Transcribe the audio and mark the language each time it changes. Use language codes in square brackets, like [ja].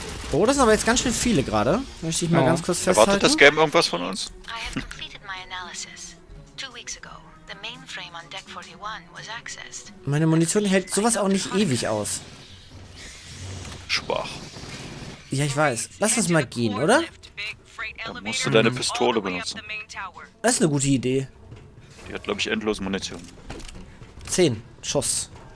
[de] Oh, das sind aber jetzt ganz schön viele gerade. Möchte ich mal ganz kurz festhalten. Erwartet das Game irgendwas von uns? [en] I have completed my analysis. 2 weeks ago. The mainframe on Deck 41 was accessed. [de] Meine Munition hält sowas auch nicht ewig aus. Schwach. Ja, ich weiß. Lass uns mal gehen, oder? Dann musst du deine Pistole benutzen. Das ist eine gute Idee. Die hat, glaube ich, endlos Munition. 10 Schuss.